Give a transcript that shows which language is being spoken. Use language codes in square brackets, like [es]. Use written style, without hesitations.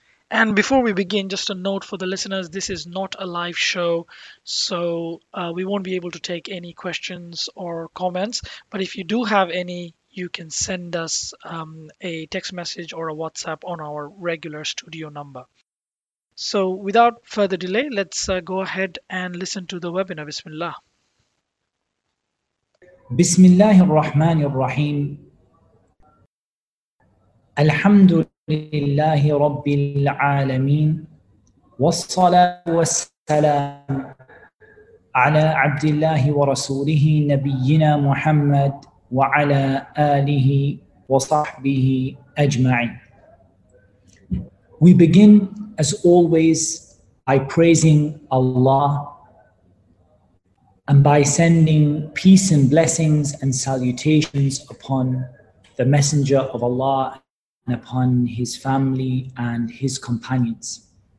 [en] And before we begin, just a note for the listeners, this is not a live show, so we won't be able to take any questions or comments. But if you do have any, you can send us a text message or a WhatsApp on our regular studio number. So without further delay, let's go ahead and listen to the webinar. Bismillah. [ar] بسم الله الرحمن الرحيم الحمد لله رب العالمين والصلاة والسلام على عبد الله ورسوله نبينا محمد وعلى آله وصحبه أجمعين. [en] We begin as always by praising Allah and by sending peace and blessings and salutations upon the Messenger of Allah and upon his family and his companions.